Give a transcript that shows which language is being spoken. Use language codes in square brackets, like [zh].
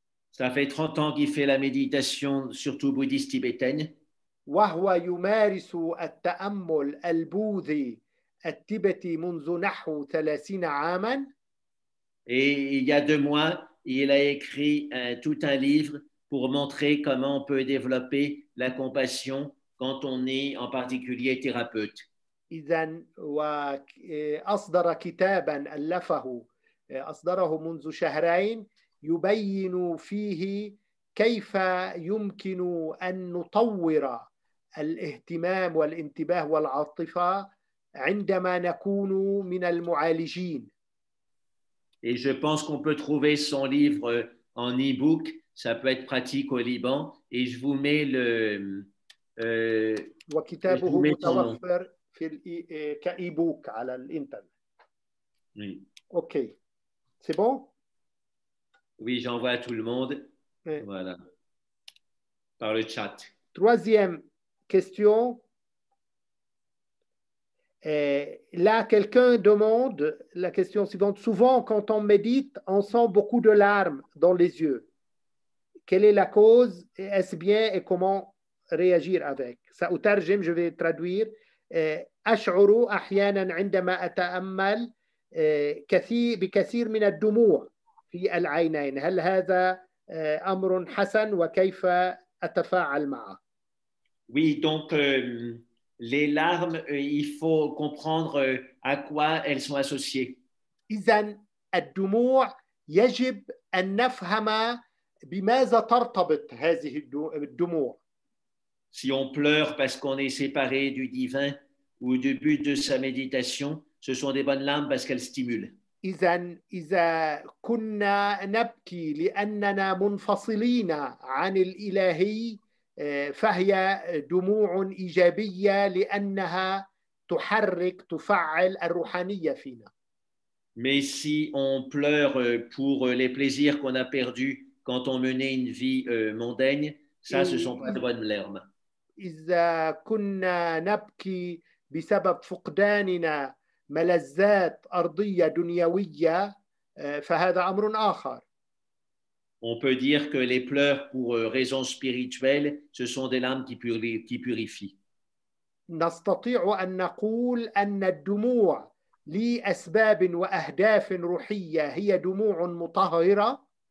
[fr] Ça fait 30 ans qu'il fait la méditation, surtout bouddhiste tibétaine. [ar] وهو يمارس التأمل البوذي التبتي منذ نحو 30 عاما. [fr] Et il y a 2 mois, il a écrit tout un livre pour montrer comment on peut développer la compassion quand on est en particulier thérapeute. [ar] إذن وأصدر كتابا ألفه أصدره منذ شهرين يبين فيه كيف يمكن أن نطور الاهتمام والانتباه والعاطفة عندما نكون من المعالجين. [fr] Et je pense qu'on peut trouver son livre en e-book. Ça peut être pratique au Liban. Et je vous mets le. [ar] وكتابه متوفر في كإيبوك على الإنترنت. [fr] Oui. OK. C'est bon? Oui, j'envoie à tout le monde. Oui. Voilà. Par le chat. Troisième question. Là, quelqu'un demande la question suivante. Souvent, quand on médite, on sent beaucoup de larmes dans les yeux. Quelle est la cause? Est-ce bien et comment réagir avec? Ça, au tarjim, je vais traduire. [ar] Ash'uru ahyanan indama ata'ammal bikathir min ad-dumu' في العينين هل هذا أمر حسن وكيف أتفاعل معه؟ [fr] Oui, donc les larmes, il faut comprendre à quoi elles sont associées. [ar] إذن الدموع يجب أن نفهم بماذا ترتبط هذه الدموع. [fr] Si on pleure parce qu'on est séparé du divin ou du but de sa méditation, ce sont des bonnes larmes parce qu'elles stimulent. [ar] إذن إذا كنا نبكي لأننا منفصلين عن الإلهي فهي دموع إيجابية لأنها تحرك تفعل الروحانية فينا. [fr] Mais si on pleure pour les plaisirs qu'on a perdus quand on menait une vie mondaine, ça ce sont pas de bonnes larmes. [ar] إذا كنا نبكي بسبب فقداننا ملذات أرضية دنيوية فهذا أمر آخر. [fr] On peut dire que les pleurs pour raisons spirituelles, ce sont des larmes qui purifient. [ar] نستطيع أن نقول أن الدموع لأسباب وأهداف روحية هي دموع مطهرة.